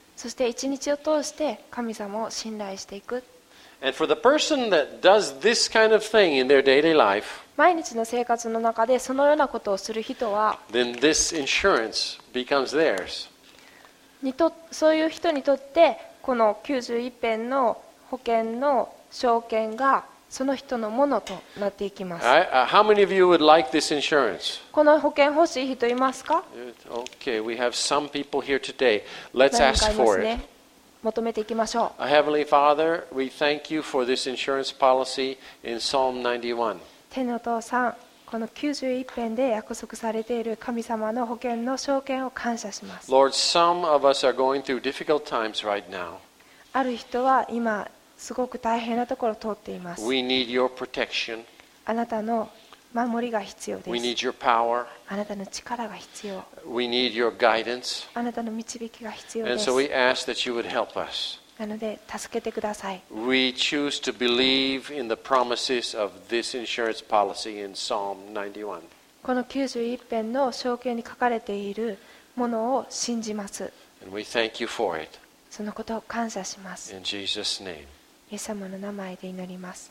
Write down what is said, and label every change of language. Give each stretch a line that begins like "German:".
Japanese: そして一日を通して神様を信頼していく。
English: And for the person that does this kind of thing in their daily life,
Japanese: 毎日の生活の中でそのようなことをする人は、
English: then this insurance becomes theirs.
Japanese: そういう人にとってこの91編の保険の証券がその人のものとなっていきます。
English: How many of you would like this insurance?
Japanese: この保険欲しい人いますか?
English: Okay, we have some people here today. Let's ask for it.
Japanese: 求めていきましょう。
English: Heavenly Father, we thank you for this insurance policy in Psalm 91.
Japanese: 天のお父さん、この91編で約束されている神様の保険の証券を感謝します。
English: Lord, some of us are going through difficult times right now.
Japanese: ある人は今すごく大変なところを通っています。
English: We need your protection.
Japanese: あなたの守りが必要です。
English: We need your power.
Japanese: あなたの力が必要。
English: We need your guidance.
Japanese: あなたの導きが必要です。
English: And so we ask that you would help us.
Japanese: なので助けてください。
English: We choose to believe in the promises of this insurance policy in Psalm 91.
Japanese: この91編の証券に書かれているものを信じます。
English: And we thank you for it.
Japanese: そのことを感謝します。
English: In Jesus' name.
Japanese: イエス様の名前で祈ります。